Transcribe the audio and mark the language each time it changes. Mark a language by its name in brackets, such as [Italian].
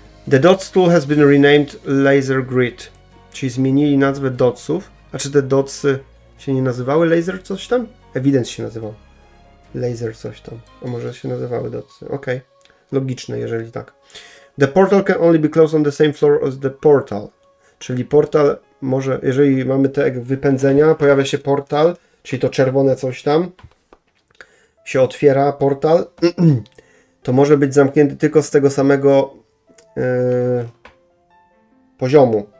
[English] The dots tool has been renamed laser grid. [Polish] Czyli zmienili nazwę dotsów. A czy te dotsy się nie nazywały laser coś tam? Evidence się nazywał. Laser coś tam. A może się nazywały dotsy. Okej. Okay. Logiczne, jeżeli tak. [English] The portal can only be closed on the same floor as the portal. [Polish] Czyli portal może, jeżeli mamy te wypędzenia, pojawia się portal, czyli to czerwone coś tam, się otwiera portal, to może być zamknięty tylko z tego samego poziomu.